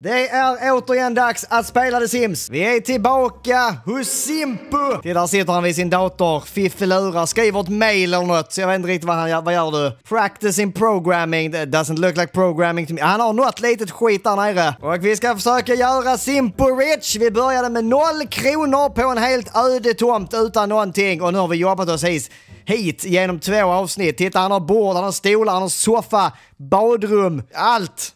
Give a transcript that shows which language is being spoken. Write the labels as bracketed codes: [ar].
[sv] Det är återigen dags att spela The Sims. Vi är tillbaka hos Simpu. Där sitter han vid sin dator, fiffelura, skriver ett mail eller något. Så jag vet inte riktigt vad han gör. Vad gör du? [en] Practicing programming. That doesn't look like programming to me. [sv] Han har något litet skit där nere. Och vi ska försöka göra Simpu rich. Vi började med 0 kronor på en helt öde tomt utan någonting. Och nu har vi jobbat oss hit genom 2 avsnitt. Titta, han har bord, han har stolar, han har soffa, badrum, allt.